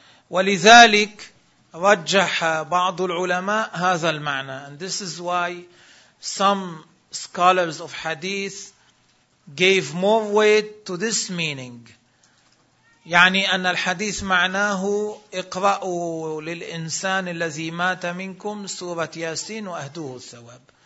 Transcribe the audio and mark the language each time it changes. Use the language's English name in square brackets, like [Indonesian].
[Arabic] ولذلك رجح بعض العلماء هذا المعنى. [English] And this is why some scholars of hadith gave more weight to this meaning [Arabic] يعني أن الحديث معناه اقرأوا للإنسان الذي مات منكم سورة ياسين وأهدوه الثواب.